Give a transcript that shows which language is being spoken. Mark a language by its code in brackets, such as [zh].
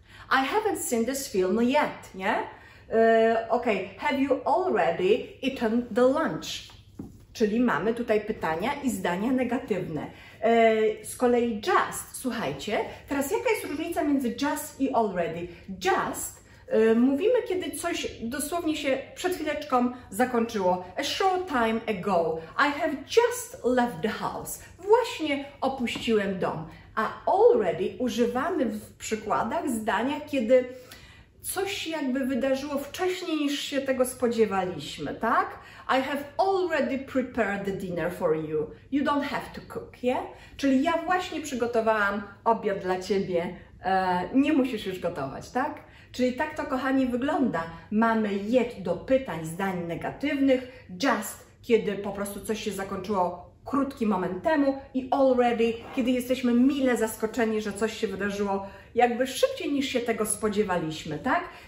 [en] I haven't seen this film yet, nie? Okay, have you already eaten the lunch? [pl] Czyli mamy tutaj pytania i zdania negatywne. Z kolei just, słuchajcie, teraz jaka jest różnica między just i already? Just mówimy, kiedy coś dosłownie się przed chwileczką zakończyło. [en] A short time ago, I have just left the house. [pl] Właśnie opuściłem dom. A already używamy w przykładach, zdaniach, kiedy coś jakby wydarzyło wcześniej, niż się tego spodziewaliśmy, tak? [en] I have already prepared the dinner for you. You don't have to cook, yeah? [pl] Czyli ja właśnie przygotowałam obiad dla ciebie. Nie musisz już gotować, tak? Czyli tak to, kochani, wygląda. Mamy yet do pytań, zdań negatywnych, just, kiedy po prostu coś się zakończyło krótki moment temu i already, kiedy jesteśmy mile zaskoczeni, że coś się wydarzyło jakby szybciej, niż się tego spodziewaliśmy, tak?